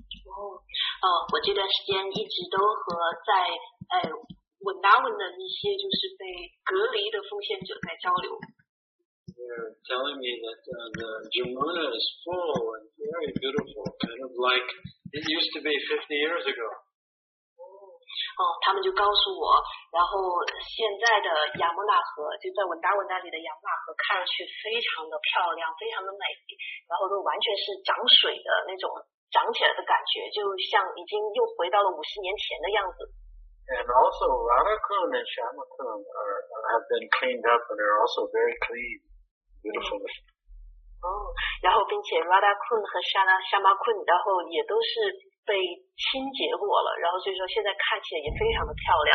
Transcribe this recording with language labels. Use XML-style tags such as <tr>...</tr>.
<zh>Oh, 我这段时间一直都和在Vrindavan 的一些就是被隔离的奉献者在交流。</zh> <en>They're telling me that the Jamuna is full and very beautiful, kind of like it used to be 50 years ago.</en> <zh>Oh, 他们就告诉我，然后现在的雅穆纳河，就在文达文那里的雅穆纳河，看上去非常的漂亮，非常的美，然后都完全是涨水的那种涨起来的感觉，就像已经又回到了五十年前的样子。</zh> <en>And also Radhakund and Shyamakund have been cleaned up and are also very clean. Beautiful.</en> <zh>然后并且 Radhakund 和 Shyamakund 然后也都是被清洁过了，然后所以说现在看起来也非常的漂亮。</zh>